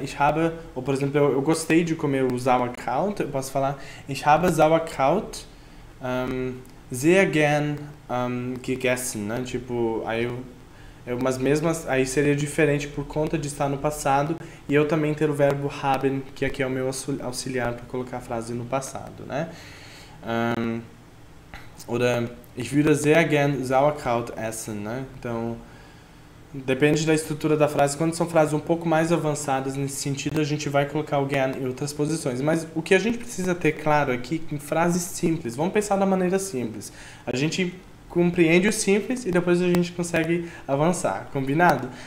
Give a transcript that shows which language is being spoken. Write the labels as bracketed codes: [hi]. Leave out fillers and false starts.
[de] Ich habe, [pt] ou por exemplo, eu gostei de comer o Sauerkraut, eu posso falar, [de] ich habe Sauerkraut sehr gern gegessen, [pt] né? Tipo, aí mas mesmo aí seria diferente por conta de estar no passado e eu também ter o verbo haben, que aqui é o meu auxiliar para colocar a frase no passado, né? [de] Oder ich würde sehr gern Sauerkraut essen, né? [pt] Então, depende da estrutura da frase. Quando são frases um pouco mais avançadas nesse sentido, a gente vai colocar o gern em outras posições. Mas o que a gente precisa ter claro aqui, em frases simples, vamos pensar da maneira simples. A gente compreende o simples e depois a gente consegue avançar, combinado?